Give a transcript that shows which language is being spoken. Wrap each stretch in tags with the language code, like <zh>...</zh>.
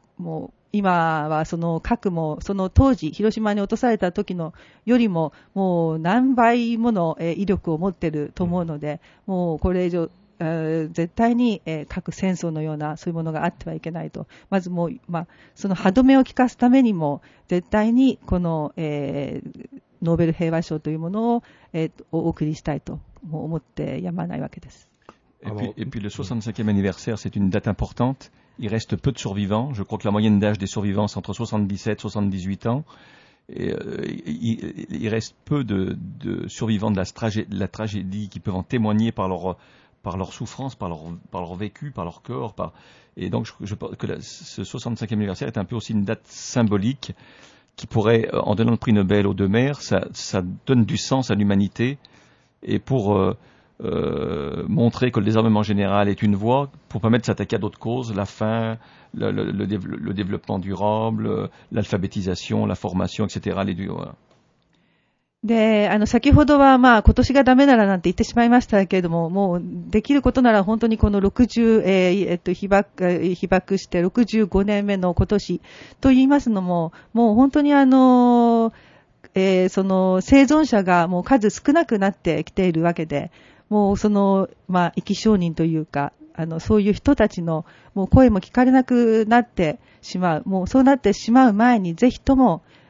<ja>もう今はその核もその当時広島に落とされた時のよりももう何倍もの威力を持っていると思うので、もうこれ以上絶対に核戦争のようなそういうものがあってはいけないと、まずもう、まあ、その歯止めを効かすためにも絶対にこの、ノーベル平和賞というものを、お送りしたいと思ってやまないわけです。</ja> <fr>Et puis le 65e anniversaire, c'est une date importante. Il reste peu de survivants. Je crois que la moyenne d'âge des survivants c'est entre 77 et 78 ans. Il reste peu de survivants de la tragédie qui peuvent en témoigner par leur souffrance, par leur vécu, par leur corps. Et donc je pense que ce 65e anniversaire est un peu aussi une date symbolique qui pourrait, en donnant le prix Nobel aux deux mères, ça donne du sens à l'humanité. Et pour montrer que le désarmement général est une voie pour permettre de s'attaquer à d'autres causes, la faim, le développement durable, l'alphabétisation, la formation, etc. Les deux, voilà.</fr> <ja>で、先ほどは、まあ、今年がダメならなんて言ってしまいましたけれども、もうできることなら本当にこの被爆して65年目の今年と言いますのも、もう本当にその生存者がもう数少なくなってきているわけで、もうその、まあ、生き証人というか、そういう人たちのもう声も聞かれなくなってしまう、もうそうなってしまう前に、ぜひとも、</ja>